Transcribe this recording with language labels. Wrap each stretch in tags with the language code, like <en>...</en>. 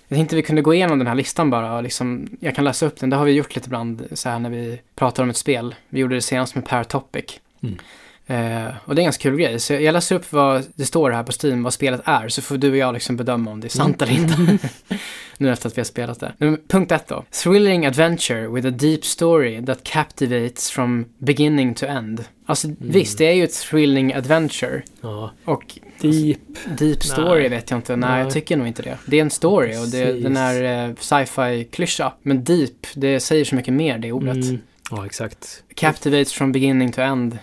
<sv>Jag tänkte vi kunde gå igenom den här listan bara och liksom, jag kan läsa upp den. Det har vi gjort lite ibland så här när vi pratar om ett spel. Vi gjorde det senast med Paratopic. Och det är en ganska kul grej. Så jag läser upp vad det står här på Steam, vad spelet är, så får du och jag liksom bedöma om det är sant eller inte. Nu efter att vi har spelat det. Men punkt ett då.</sv> <en>Thrilling adventure with a deep story that captivates from beginning to end.</en> <sv>Alltså visst, det är ju ett</sv> <en>thrilling adventure.</en> <sv>Ja. Och</sv> <en>deep.</en> <sv>Alltså, deep story. Nej. Vet jag inte. Nej, jag tycker nog inte det. Det är en story. Precis. Och det är den här sci-fi-klyscha. Men deep, det säger så mycket mer, det ordet. Mm. Ja, exakt.</sv> <en>Captivates from beginning to end.</en>